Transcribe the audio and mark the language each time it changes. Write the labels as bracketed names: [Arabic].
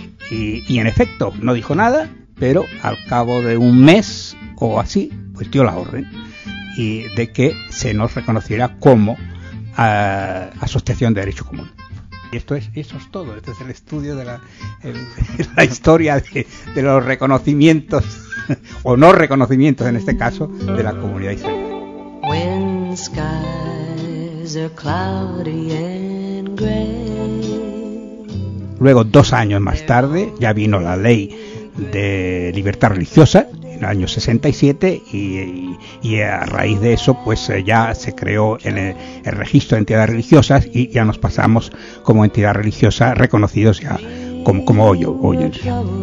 [Spanish] Y en efecto, no dijo nada, pero al cabo de un mes o así, pues dio la orden y de que se nos reconociera como Asociación de Derecho Común. Y eso es todo. Este es el estudio de la historia de los reconocimientos o no reconocimientos, en este caso, de la comunidad israelí. [English] When skies are cloudy and gray. [Spanish] Luego, dos años más tarde, ya vino la ley de libertad religiosa, en el año 67, y a raíz de eso, pues ya se creó el registro de entidades religiosas y ya nos pasamos como entidad religiosa reconocidos ya como hoy en día.